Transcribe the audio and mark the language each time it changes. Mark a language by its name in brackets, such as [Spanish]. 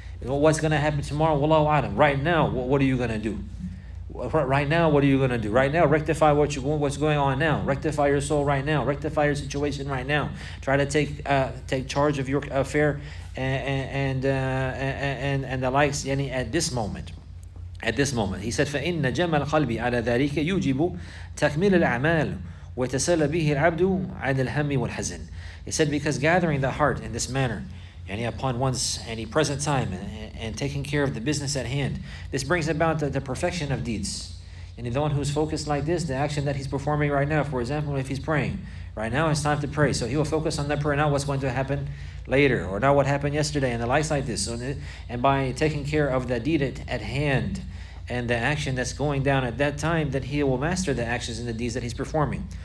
[English] What's going to happen tomorrow? [Arabic] Wallahu a'lam. [English] Right now, what are you going to do? Right now, rectify what's going on now. Rectify your soul right now. Rectify your situation right now. Try to take charge of your affair and the likes at this moment. At this moment. He said, [Arabic] فَإِنَّ جَمَّ الْقَلْبِ عَلَى ذَلِكَ يُجِبُ تَكْمِلَ الْعَمَالُ وَتَسَلَّ بِهِ الْعَبْدُ عَنِ الْهَمِّ وَالْحَزْنِ. [English] He said, because gathering the heart in this manner, and upon one's any present time, and taking care of the business at hand, this brings about the perfection of deeds. And the one who's focused like this, the action that he's performing right now, for example, if he's praying, right now it's time to pray. So he will focus on that prayer, not what's going to happen later, or not what happened yesterday, and the likes like this. So, and by taking care of the deed at hand, and the action that's going down at that time, that he will master the actions and the deeds that he's performing.